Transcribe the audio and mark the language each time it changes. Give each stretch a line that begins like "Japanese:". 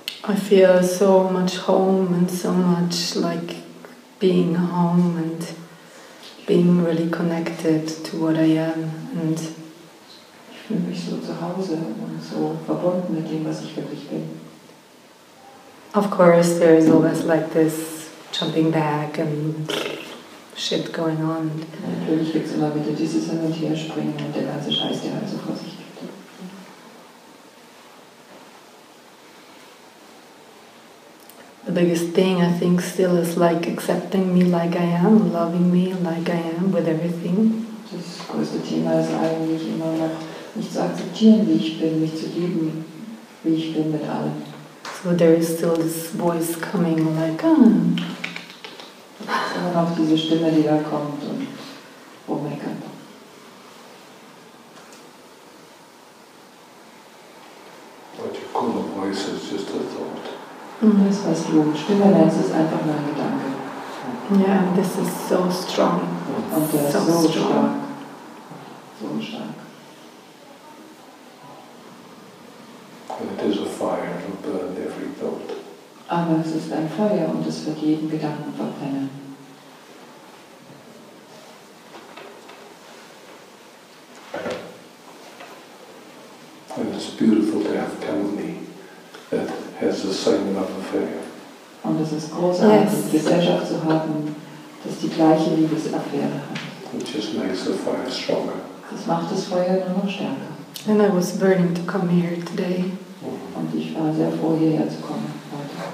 English: I feel so much home and so much like being home and being really connected to what I am. And
German: ich fühle mich so zu Hause und so verbunden mit dem, was ich wirklich bin.
English: Of course, there is always like this jumping back and shit going on.
German: Natürlich gibt es immer wieder dieses Hin und Her springen und der ganze Scheiß, der halt so vor sich geht.
English: The biggest thing, I think, still is like accepting me like I am, loving me like I am, with everything.
German: Das größte Thema ist eigentlich immer noch, mich zu akzeptieren, wie ich bin, mich zu lieben, wie ich bin mit allem.
English: So there is still this voice coming like, ah.
German: Es ist immer noch diese Stimme, die da kommt und rummeckert.
English: What you call a voice is just a thought.
German: Das, was du Stimme nennst, ist einfach nur ein Gedanke.
English: Yeah, this is so strong.
German: Und der ist so
English: strong.
German: Stark. So stark.
English: It is a fire to burn every thought.
German: Aber es ist ein Feuer und es wird jeden Gedanken verbrennen.
English: And it's beautiful to have company that has the same love affair.
German: Und es ist großartig, yes, Gesellschaft zu haben, dass die gleiche Liebesaffäre hat.
English: Which just makes the fire stronger.
German: Das macht das Feuer nur noch stärker.
English: And I was burning to come here today.
German: Und ich war sehr froh, hierher zu kommen heute.